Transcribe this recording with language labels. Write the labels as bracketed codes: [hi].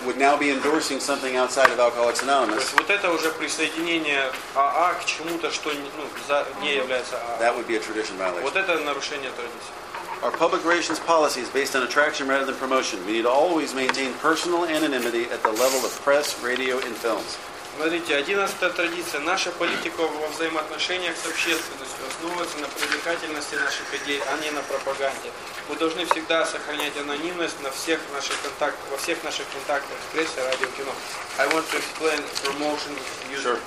[en] Would now be endorsing something outside of Alcoholics Anonymous. [ru] То есть, вот это уже присоединение АА к чему-то, что не является АА. [en] That would be a tradition violation. [ru] Вот это нарушение традиции. [en] Our public relations policy is based on attraction rather than promotion. We need to always maintain personal anonymity at the level of press, radio, and films. [ru] Смотрите, 11-я традиция. Наша политика во взаимоотношениях с общественностью основывается на привлекательности наших идей, а не на пропаганде. Мы должны всегда сохранять анонимность на всех наших контактах, во всех наших контактах, в прессе, радио, кино. [en] I want to explain promotion. Sure.